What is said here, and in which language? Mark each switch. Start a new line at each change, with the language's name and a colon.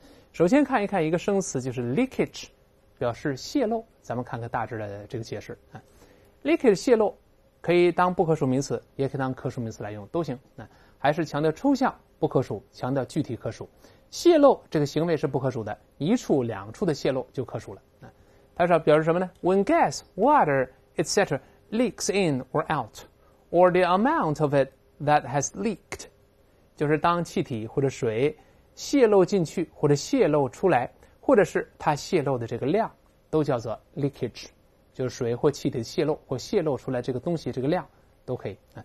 Chinese: 首先看一看一个生词，就是 leakage 表示泄漏，咱们看看大致的这个解释。 leakage 泄漏可以当不可数名词，也可以当可数名词来用，都行。还是强调抽象不可数，强调具体可数。泄露这个行为是不可数的，一处两处的泄露就可数了。它是表示什么呢 ？
English: When gas, water, etc. leaks in or out, or the amount of it that has leaked，
Chinese: 就是当气体或者水泄露进去或者泄露出来，或者是它泄露的这个量，都叫做 leakage， 就是水或气体泄露或泄露出来这个东西这个量都可以。